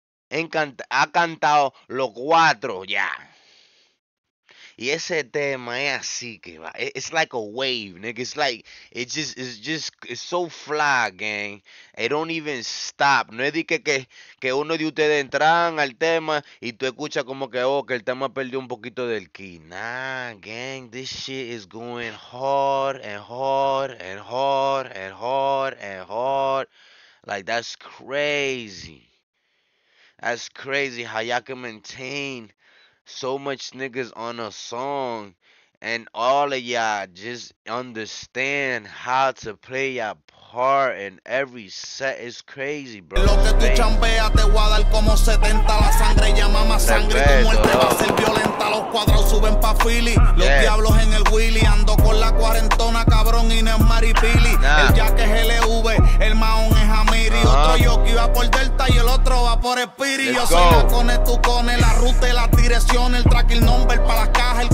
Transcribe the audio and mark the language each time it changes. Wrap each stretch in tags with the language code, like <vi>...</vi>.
<es>Ha cantado los cuatro ya. Y ese tema es así que va.</es> <en>It's like a wave, nigga. It's so fly, gang. It don't even stop.</en> <es>No es de que uno de ustedes entran al tema y tú escuchas como que, oh, que el tema perdió un poquito del key.</es> <en>Nah, gang, this shit is going hard and hard and hard and hard and hard. Like, that's crazy. That's crazy how y'all can maintain so much niggas on a song and all of y'all just understand how to play your part in every set. It's crazy, bro.</en> <es>Lo que tú chambeas te voy a dar como 70. La sangre llama más sangre. Tu muerte va a ser violenta. Los cuadros suben pa' Philly. Los diablos en el Willy. Ando con la cuarentona, cabrón. Y no es Maripili. El Jack es LV. El Mahon es Amiri. Otro Yoki va por Delta y el otro va por Spirit. Yo soy Cacones, tú con la ruta y las direcciones. El track, el number para las cajas.</es>